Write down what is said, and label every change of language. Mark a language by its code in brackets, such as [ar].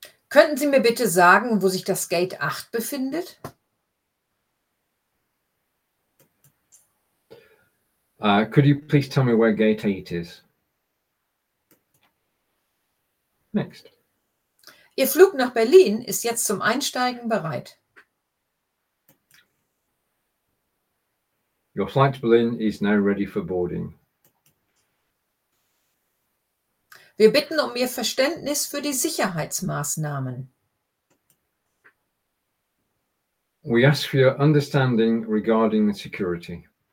[de] Könnten Sie mir bitte sagen, wo sich das Gate 8 befindet? [en] Could you please tell me where Gate 8 is? Next. [de] Ihr Flug nach Berlin ist jetzt zum Einsteigen bereit. [en] Your flight to Berlin is now ready for boarding. [de] Wir bitten Ihr Verständnis für die Sicherheitsmaßnahmen. [en] We ask for your understanding regarding the security.